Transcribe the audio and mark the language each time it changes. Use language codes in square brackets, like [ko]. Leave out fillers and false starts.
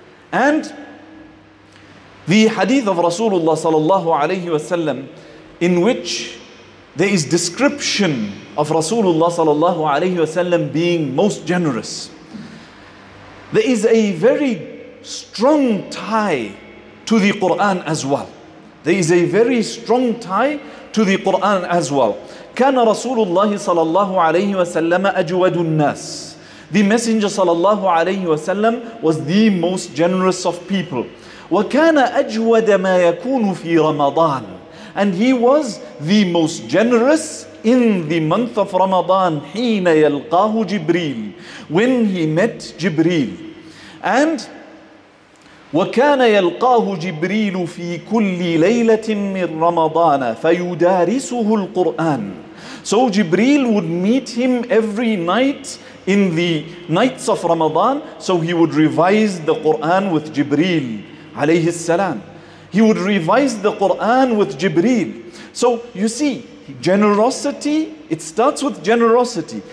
[en] And the hadith of Rasulullah sallallahu alayhi wa sallam, in which there is description of Rasulullah sallallahu alayhi wa sallam being most generous, there is a very strong tie to the Quran as well. There is a very strong tie to the Quran as well. [ar] كان رسول الله صلى الله عليه وسلم أجود الناس. [en] The Messenger صلى الله عليه وسلم was the most generous of people. [ar] وكان أجود ما يكون في رمضان. [en] And he was the most generous in the month of Ramadan. [ar] حين يلقاه جبريل. [en] When he met Jibreel. [ar] And وكان يلقاه جبريل في كل ليلة من رمضان فيدارسه القرآن. [en] So Jibreel would meet him every night in the nights of Ramadan. So he would revise the Quran with Jibreel عليه السلام. He would revise the Quran with Jibreel. So you see, generosity, it starts with generosity.